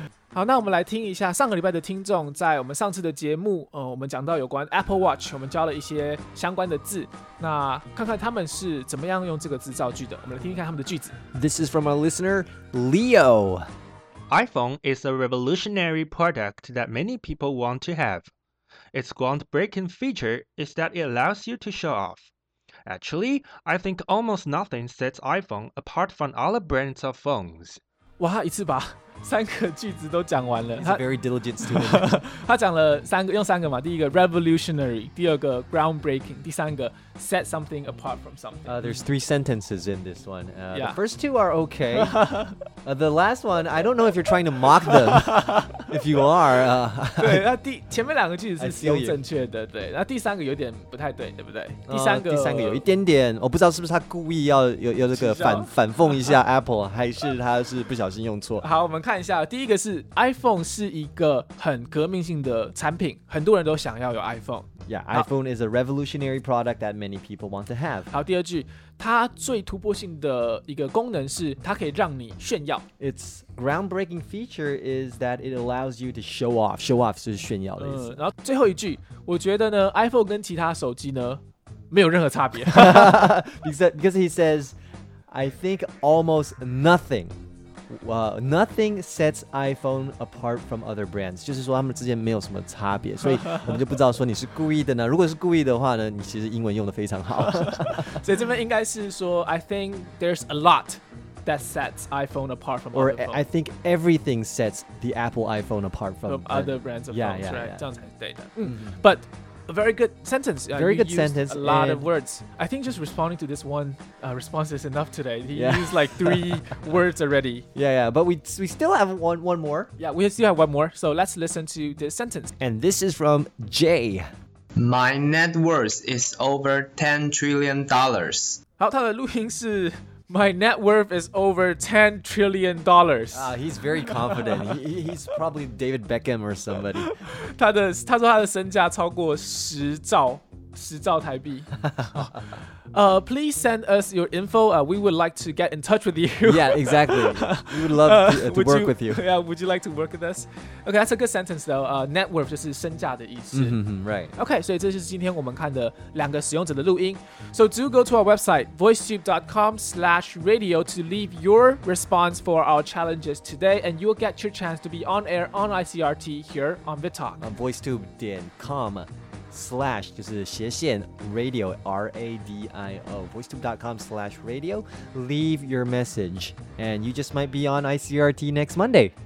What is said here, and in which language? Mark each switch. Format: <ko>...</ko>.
<zh>好，那我们来听一下上个礼拜的听众在我们上次的节目，我们讲到有关 Apple Watch， 我们教了一些相关的字，那看看他们是怎么样用这个字造句的。我们来听听看他们的句子。</zh> <en>This is from our listener Leo. iPhone is a revolutionary product that many people want to have. Its groundbreaking feature is that it allows you to show off. Actually, I think almost nothing sets iPhone apart from other brands of phones.</en> <zh>哇，一次吧。三个句子都讲完了。</zh> <en>He's a very diligent student.</en> <zh>他讲了三个，用三个嘛。第一个 revolutionary， 第二个 groundbreaking， 第三个</zh> <en>set something apart from something. There's three sentences in this one.、The first two are okay. The last one, I don't know if you're trying to mock them. If you are,</en> <zh>对，那第前面两个句子是使用正确的，对。那第三个有点不太对，对不对？第三个有一点点，我不知道是不是他故意要这个反讽一下 Apple， 还是他是不小心用错。好。我们看一下，第一个是 iPhone 是一个很革命性的产品，很多人都想要有 iPhone。</zh> <en>Yeah, iPhone is a revolutionary product that many people want to have.</en> <zh>好，第二句，它最突破性的一个功能是它可以让你炫耀。</zh> <en>Its groundbreaking feature is that it allows you to show off.</en> <zh>Show off 就是炫耀的意思。然后最后一句，我觉得呢 ，iPhone 跟其他手机呢没有任何差别。</zh> <en>because he says, I think almost nothing. Nothing sets iPhone apart from other brands.</en> <zh>就是说他们之间没有什么差别，所以我们就不知道说你是故意的呢。如果是故意的话呢，你其实英文用得非常好。所以这边应该是说</zh> <en>I think there's a lot that sets iPhone apart from other brands. Or I think everything sets the Apple iPhone apart from other brands of phones. Yeah, yeah, yeah.</en> <zh>这样才对的。</zh> <en>But a very good sentence. Very good sentence. A lot of words. I think just responding to this one response is enough today. He used like three words already. Yeah, yeah. But we still have one more. Yeah, we still have one more. So let's listen to this sentence. And this is from Jay. My net worth is over $10 trillion.</en> <zh>好，他的录音是</zh> <en>My net worth is over $10 trillion. He's very confident. he's probably David Beckham or somebody.</en> <zh>他说他的身价超过十兆 10兆台币。</zh> <en>Please send us your info. We would like to get in touch with you. Yeah, exactly. We would love to work with you. Yeah, would you like to work with us? Okay, that's a good sentence though. Net worth</en> <zh>就是身价的意思。</zh> <en>Right.</en> <zh>Okay, 所以这就是今天我们看的两个使用者的录音。</zh> <en>So do go to our website, voicetube.com/radio to leave your response for our challenges today, and you'll get your chance to be on air on ICRT here on VidTalk. On voicetube.com/</en> <zh>就是斜线</zh> <en>radio RADIO voicetube.com/radio leave your message and you just might be on ICRT next Monday.</en>